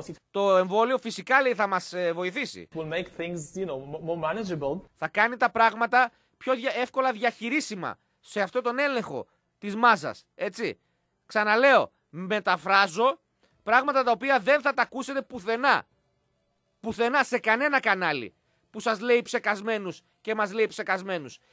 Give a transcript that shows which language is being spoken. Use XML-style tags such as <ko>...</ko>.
<el>Το εμβόλιο φυσικά, λέει, θα μας βοηθήσει.</el> <en>We'll make things, you know, more manageable.</en> <el>Θα κάνει τα πράγματα πιο εύκολα διαχειρίσιμα σε αυτόν τον έλεγχο της μάζας. Έτσι. Ξαναλέω, μεταφράζω πράγματα τα οποία δεν θα τα ακούσετε πουθενά. Πουθενά, σε κανένα κανάλι. Που σας λέει ψεκασμένους και μας λέει ψεκασμένους.</el>